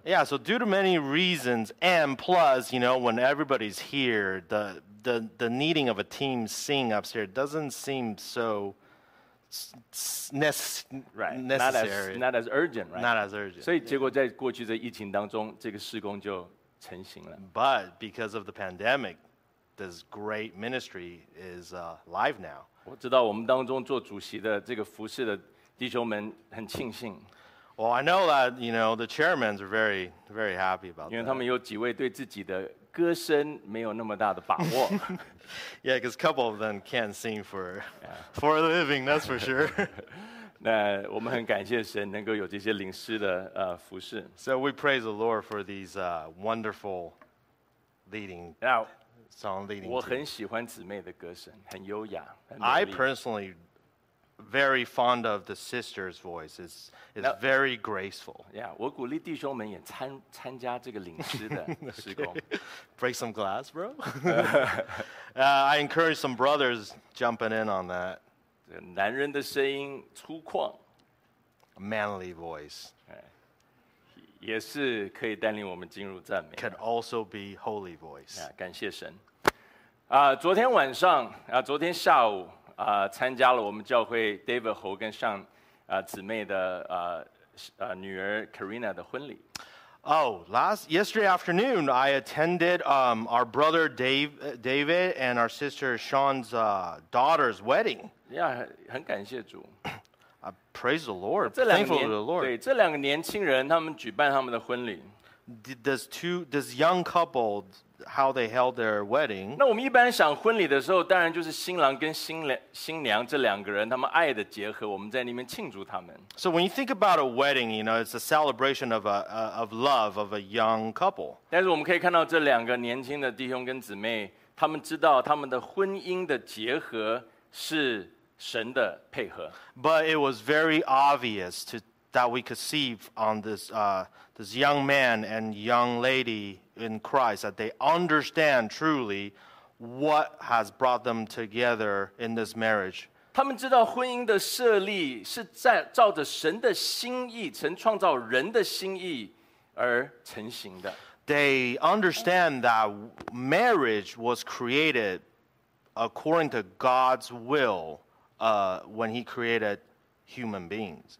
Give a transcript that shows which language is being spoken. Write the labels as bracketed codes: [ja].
[en] Yeah, so due to many reasons, and plus, you know, when everybody's here, the needing of a team sing upstairs doesn't seem so necessary. Not as urgent, right? Not as urgent. [zh] 所以结果在过去的疫情当中，这个事工就成型了。 [en] But because of the pandemic, this great ministry is live now. [zh] 我知道我们当中做主席的这个服事的弟兄们很庆幸。 [en] Well, I know that, you know, the chairmen are very, very happy about that. [zh] 因为他们有几位对自己的歌声没有那么大的把握。 [en] Yeah, because a couple of them can't sing for a living, that's for sure. [zh] 那我们很感谢神能够有这些领师的服事。 [en] So we praise the Lord for these wonderful leading now, song leading. [zh] 我很喜欢姊妹的歌声，很优雅。 [en] I personally very fond of the sister's voice. It's very graceful. [zh] Yeah, 我鼓励弟兄们也参加这个领师的施工。 [en] Break some glass, bro. I encourage some brothers jumping in on that. [zh] 男人的声音粗犷 [en] manly voice. [zh] 也是可以带领我们进入赞美 [en] Can also be holy voice. [zh] 感谢神。昨天晚上，昨天下午参加了我们教会 David Ho 跟上姊妹的女儿 Karina 的婚礼。 [en] Oh, yesterday afternoon, I attended our brother David and our sister Sean's daughter's wedding. [zh] Yeah, 很感谢主。 [en] Praise the Lord. Thankful to the Lord. [zh] 对，这两个年轻人他们举办他们的婚礼。 [en] This young couple, how they held their wedding. [zh] 那我们一般想婚礼的时候，当然就是新郎跟新娘这两个人，他们爱的结合，我们在那边庆祝他们。 [en] So when you think about a wedding, you know, it's a celebration of love of a young couple. [zh] 但是我们可以看到这两个年轻的弟兄跟姊妹，他们知道他们的婚姻的结合是神的配合。 [en] But it was very obvious that we could see on this young man and young lady in Christ that they understand truly what has brought them together in this marriage. [zh] 他们知道婚姻的设立是在照着神的心意，曾创造人的心意而成型的。 [en] They understand that marriage was created according to God's will, when he created human beings.